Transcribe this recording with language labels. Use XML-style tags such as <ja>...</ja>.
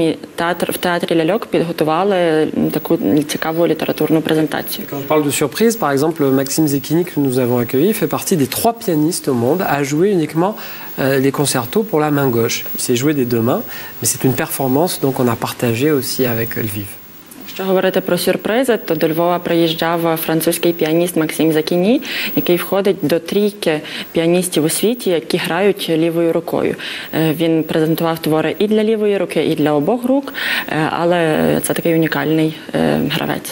<uk>І в театрі «Ляльок» підготували таку цікаву літературну презентацію. Коли</uk> <fr>parle de surprise, par exemple, Maxime Zekini, que nous avons accueilli, fait partie des trois pianistes au monde à jouer uniquement les concertos pour la main gauche. Il s'est joué des deux mains, mais c'est une performance donc on a partagé aussi avec Lviv.</fr> <uk>Якщо говорити про сюрпризи, то до Львова приїжджав французький піаніст Максим Закіні, який входить до трійки піаністів у світі, які грають лівою рукою. Він презентував твори і для лівої руки, і для обох рук, але це такий унікальний гравець.</uk>